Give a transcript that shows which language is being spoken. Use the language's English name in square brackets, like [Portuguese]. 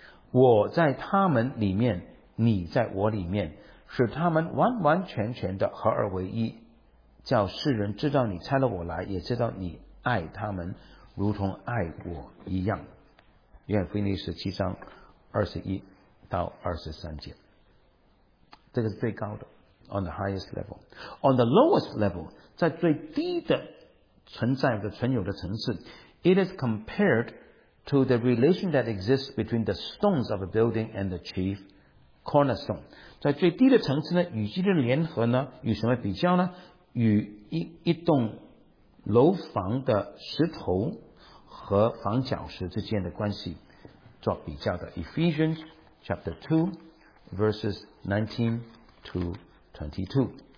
[Chinese] 我在他们里面，你在我里面，使他们完完全全的合而为一，叫世人知道你差了我来，也知道你爱他们，如同爱我一样。约翰福音十七章二十一到二十三节，这个是最高的。 [English] On the highest level, on the lowest level, [Chinese] 在最低的存在的存有的层次， [English] it is compared to the relation that exists between the stones of a building and the chief cornerstone. [Chinese] 在最低的层次呢，与基督的联合呢，与什么比较呢？与一栋楼房的石头和房角石之间的关系做比较的。 [English] Ephesians chapter 2, verses 19 to 22.